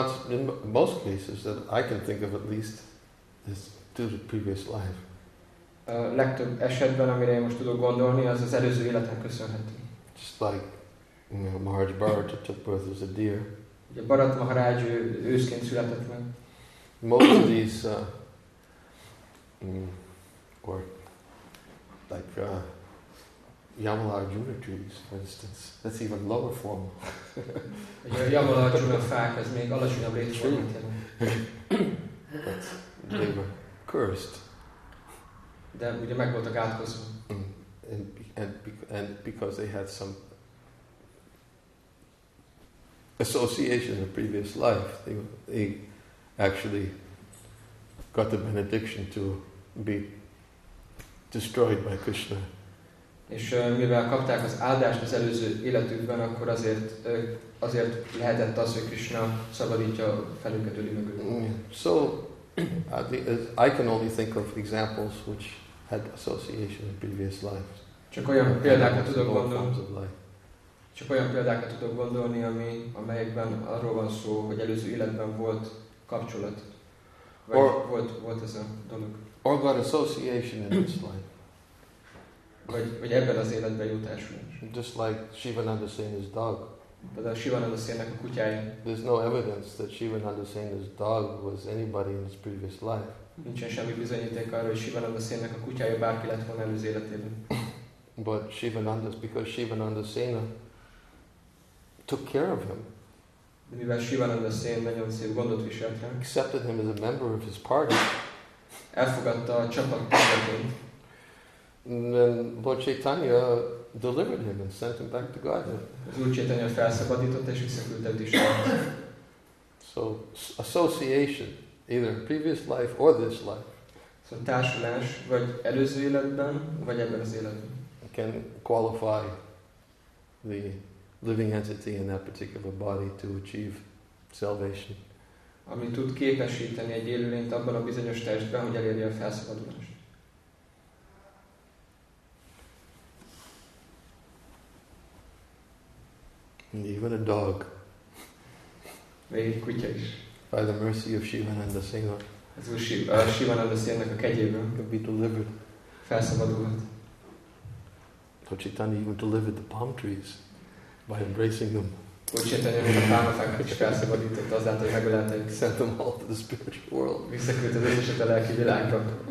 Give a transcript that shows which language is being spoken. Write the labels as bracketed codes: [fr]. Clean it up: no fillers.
[en] In most cases, that I can think of at least, is due to previous life. [hu] Legtöbb esetben, amire én most tudok gondolni, az az előző életnek köszönhető. [en] Just like, you know, Maharaj Bharata took birth as a deer. [hu] Ugye Bharat Maharaj őszként született meg. [en] Most of these, or like Yamala Arjuna trees, for instance, that's even lower form. [hu] Ugye a Yamala Arjuna fák, ez még alacsonyabb létformát jelent. [en] But they were cursed. [hu] De ugye meg voltak átkozva. [en] And because they had some association of previous life, they actually got the benediction to be destroyed by Krishna. [hu] És mivel kapták az áldást az előző életükben, akkor azért lehetett az, hogy Krishna szabadítja fel őket, öli meg őket. [en] So I can only think of examples which had association of previous lives. [hu] Csak olyan példákat tudok gondolni. Csak olyan példákat tudok gondolni, amelyekben arról van szó, hogy előző életben volt kapcsolat, vagy volt ez a dolog. [en] Or got association in this life. [hu] Vagy ebben az életben jutásulás. [en] Just like Sivananda Sen's dog. [hu] De a Sivananda Sen-nek a kutyája. [en] There's no evidence that Sivananda Sen's dog was anybody in his previous life. [hu] Nincsen semmi bizonyíték arra, hogy Sivananda Sen-nek a kutyája bárki lett volna előző életében. [en] But Sivananda Sen took care of him. [hu] De mivel Sivananda Sen nagyon szép gondot viselt rá. [en] Accepted him as a member of his party. [hu] Elfogadta a csapat tagjaként. [en] And then Lord Chaitanya delivered him and sent him back to Godhead. [hu] Lord Chaitanya felszabadított és visszaküldte őt Istenhez. [en] So association either previous life or this life. [hu] So társulás, vagy előző életben, vagy ebben az életben. [en] Can qualify the living entity in that particular body to achieve salvation. [hu] Ami tud képesíteni egy élőlényt abban a bizonyos testben, hogy elérje a felszabadulást. [en] Even a dog. [hu] Még egy kutya is. [en] By the mercy of Sivananda Singha. [hu] Az úr Sivananda Singhnek a kegyében. [en] Could be delivered. [hu] Felszabadulhat. [en] Lord Chaitanya even delivered the palm trees by embracing them. [hu] Lord Chaitanya a pálmafákat is felszabadított azáltal, hogy megölelte őket. [en] Sent them all to the spiritual world. [hu] Visszaküldte az összeset a lelki világba.